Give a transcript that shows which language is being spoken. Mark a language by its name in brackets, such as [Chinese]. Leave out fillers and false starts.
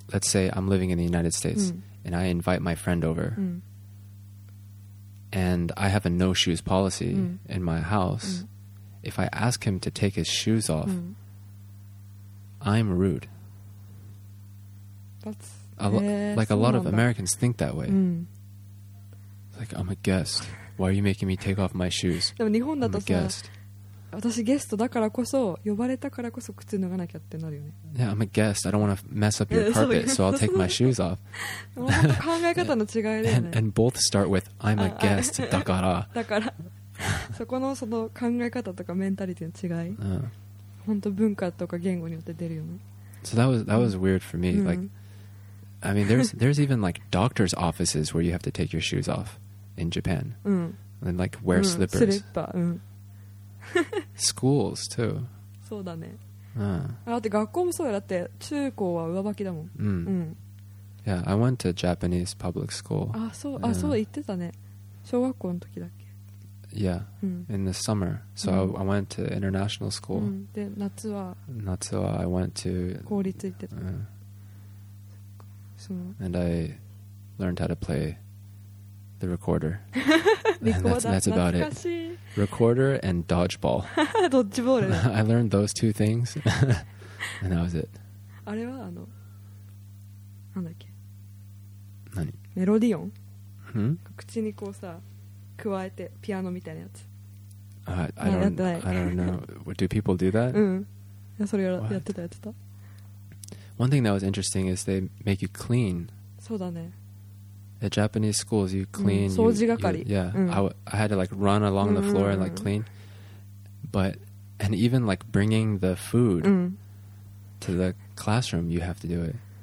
[English] let's say I'm living in the United States、うん、and I invite my friend over、うん、and I have a no shoes policy、うん、in my house、うん、if I ask him to take his shoes off、うん、I'm rude. That's like a lot of Americans think that way、うん、like I'm a guest. Why are you making me take off my shoes? [Japanese] でも日本だとさ、 [English] I'm a guest. [Japanese] 私ゲストだからこそ呼ばれたからこそ靴脱がなきゃってなるよね。 [English] Yeah, I'm a guest. I don't want to mess up your carpet, so I'll take my shoes off. [Japanese] 考え方の違いだよね。 [English] And both start with I'm a guest. [Japanese] だから。だから。そこのその考え方とかメンタリティの違い。本当文化とか言語によって出るよね。 [English] So that was weird for me. Like, I mean, there's even like doctor's offices where you have to take your shoes off in Japan. And like wear slippers. [Japanese] スリッパ。 [English] Schools too. [Japanese] そうだね。だって学校もそうよ。だって中高は上履きだもん。 [English] Yeah, I went to Japanese public school. [Japanese] あ、そう、あ、そう言ってたね。小学校の時だっけ。 [English] Yeah, in the summer. So I went to international school. [Japanese] で、夏は。夏は [English] I went to [Japanese] 公立行ってた。 [English] And I learned how to play. The recorder. that's about it. Recorder and dodgeball. Dodgeball. I learned those two things, and that was it. [Japanese] あれはあのなんだっけ。何。メロディオン。うん。口にこうさ、加えてピアノみたいなやつ。 [English] I don't know. Do people do that? [Japanese] うん。いやそれやってたやってた。 [English] One thing that was interesting is they make you clean. [Japanese] そうだね。 [English] At Japanese schools, you clean. [Japanese] 掃除係。 [English] Yeah, I had to like run along the floor and like clean. But and even like bringing the food to the classroom, you have to do it.